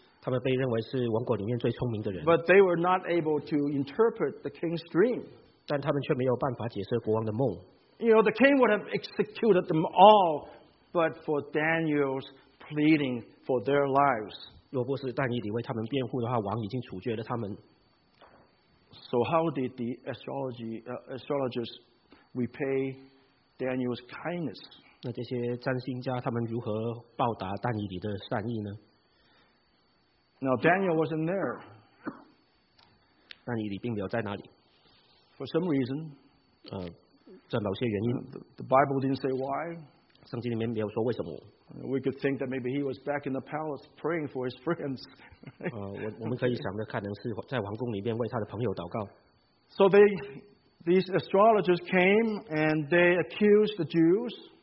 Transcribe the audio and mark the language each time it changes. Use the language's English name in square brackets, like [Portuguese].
[Chinese] 他们被认为是王国里面最聪明的人。 [English] But they were not able to interpret the king's dream. [Chinese] 但他们却没有办法解释国王的梦。 [English] You know, the king would have executed them all, but for Daniel's pleading for their lives. [Chinese] 若不是但以理为他们辩护的话，王已经处决了他们。 [English] So how did the astrologers repay Daniel's kindness? [Chinese] 那这些占星家他们如何报答但以理的善意呢？ [English] Now Daniel wasn't there. [Chinese] 但以理并没有在那里。 [English] For some reason, [Chinese] 在某些原因。 [English] The Bible didn't say why. [Chinese] 圣经里面没有说为什么。 [English] We could think that maybe he was back in the palace praying for his friends. [Chinese] 我们可以想的可能是在王宫里面为他的朋友祷告。 [English] So these astrologers came and they accused the Jews.